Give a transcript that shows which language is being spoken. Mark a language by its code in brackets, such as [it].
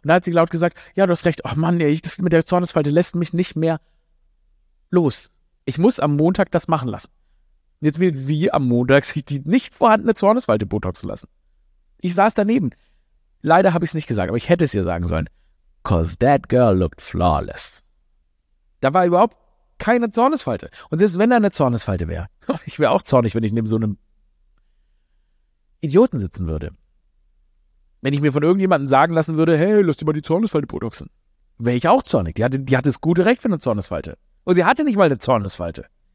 [de] Und da hat sie laut gesagt, ja, du hast recht, oh Mann, ey, das mit der Zornesfalte lässt mich nicht mehr los. Ich muss am Montag das machen lassen. Jetzt will sie am Montag sich die nicht vorhandene Zornesfalte botoxen lassen. Ich saß daneben. Leider habe ich es nicht gesagt, aber ich hätte es ihr sagen sollen. [en] 'Cause that girl looked flawless. [de] Da war überhaupt keine Zornesfalte. Und selbst wenn da eine Zornesfalte wäre, ich wäre auch zornig, wenn ich neben so einem Idioten sitzen würde. Wenn ich mir von irgendjemandem sagen lassen würde, hey, lass dir mal die Zornesfalte botoxen, wäre ich auch zornig. Die hatte das gute Recht für eine Zornesfalte. Und sie hatte nicht mal eine Zornesfalte.